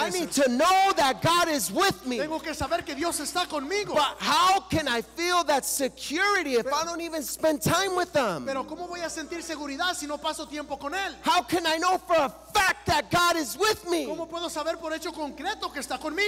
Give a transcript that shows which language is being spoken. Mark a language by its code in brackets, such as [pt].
[en] I need to know that God is with me. [es] Tengo que saber que Dios está conmigo. [en] But how can I feel that security if I don't even spend time with him? [es] Pero ¿cómo voy a sentir seguridad si no paso tiempo con él? [en] How can I know for a fact that God is with me? [es] ¿Cómo puedo saber por hecho concreto que está conmigo?